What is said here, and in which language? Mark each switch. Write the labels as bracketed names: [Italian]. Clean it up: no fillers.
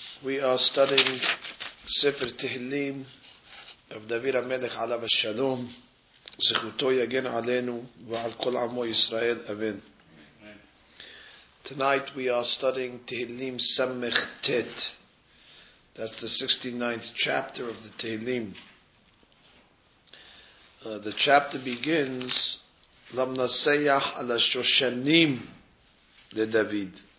[English] We are studying ספר תהילים of דוד המלך עליו השלום. [Hebrew] זכותו יגן עלינו ועל כל עמו ישראל. אמן. [English] Tonight we are studying תהילים סמך תת. That's the 69th chapter of the תהילים. The chapter begins למנסייח על השושנים לדוד.